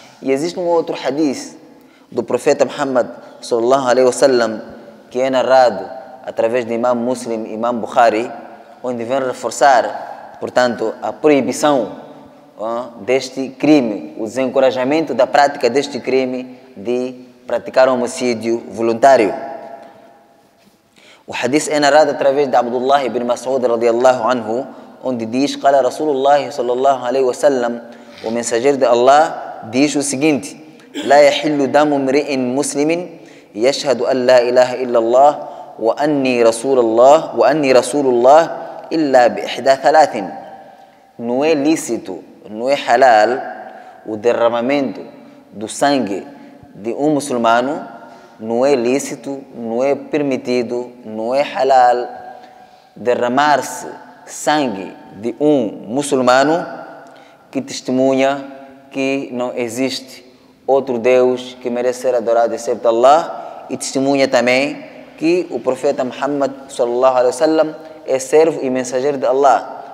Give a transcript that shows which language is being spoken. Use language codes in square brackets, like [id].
[pt] E existe um outro hadith do profeta Muhammad sallallahu alaihi wasallam, que é narrado através de Imam Muslim e Imam Bukhari, onde vem reforçar, portanto, a proibição deste crime, o desencorajamento da prática deste crime de praticar homicídio voluntário. O hadith é narrado através de Abdullah ibn Mas'ud radiyallahu anhu, onde diz: [ar] قال رسول الله صلى الله عليه وسلم, [pt] o mensageiro de Allah diz o seguinte: [ar] لا يحل دم امرئ مسلم يشهد أن لا إله إلا الله وأني رسول الله وأني رسول الله إلا بإحدى ثلاث. [pt] Não é lícito, não é halal o derramamento do sangue de um muçulmano, não é lícito, não é permitido, não é halal derramar-se sangue de um muçulmano que testemunha que não existe outro Deus que merece ser adorado excepto Allah, e testemunha também que o profeta Muhammad sallallahu alaihi wasallam é servo e mensageiro de Allah.